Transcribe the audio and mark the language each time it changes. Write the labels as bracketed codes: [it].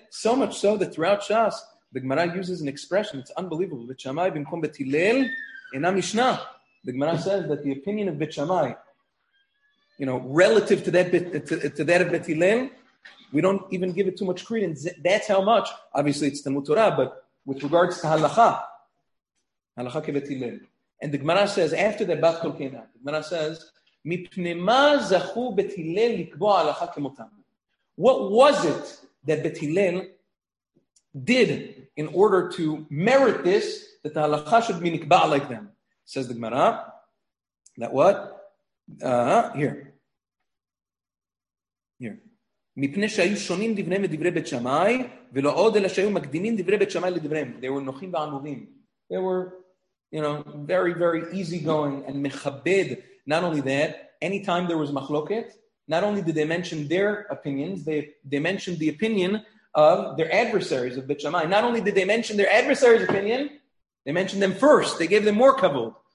[en] So much so that throughout Shas, the Gemara uses an expression, it's unbelievable. [he] בית שמאי במקום בית הלל, אינה משנה. [en] The Gemara says that the opinion of בית שמאי, you know, relative to that of בית הלל, we don't even give it too much credence. That's how much. Obviously, it's Talmud Torah, but with regards to halakha, [he] halakha kevet hilel. [en] And the Gemara says, after that, Bat Kol came out, the Gemara says, [he] Mipnema zachu bet hilel likbo halakha kemotam. [en] What was it that bet hilel did in order to merit this, that the halakha should be nikba like them? Says the Gemara, that what? Here. [he] מפני שהיו שונים דבריהם ודברי בית שמאי, ולא עוד אלא שהיו מקדימים דברי בית שמאי לדבריהם. [en] They were [he] נוחים ועמובים. [en] They were, you know, very, very easygoing and מכבד. Not only that, anytime there was מחלוקת, not only did they mention their opinions, they mentioned the opinion of their adversaries of בית שמאי. Not only did they mention their adversaries' opinion, they mentioned them first. They gave them more כבוד.